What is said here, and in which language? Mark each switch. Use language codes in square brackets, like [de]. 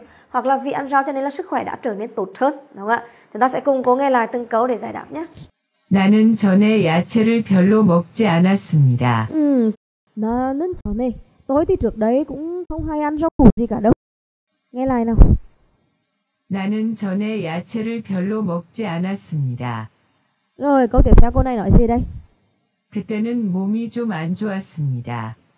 [vi] Hoặc là vì ăn rau cho nên là sức khỏe đã trở nên tốt hơn, đúng không ạ? Chúng ta sẽ cùng cố nghe lại từng câu để giải đáp nhé. [ko] 나는 전에 야채를 별로 먹지 않았습니다. 나는 전에 [vi] tôi thì trước đấy cũng không hay ăn rau củ gì cả đâu. Nghe lại nào. [ko] 나는 전에 야채를 별로 먹지 않았습니다. [vi] Rồi, câu tiếp theo cô này nói gì đây? [ko] 그때는 몸이 좀 안 좋았습니다.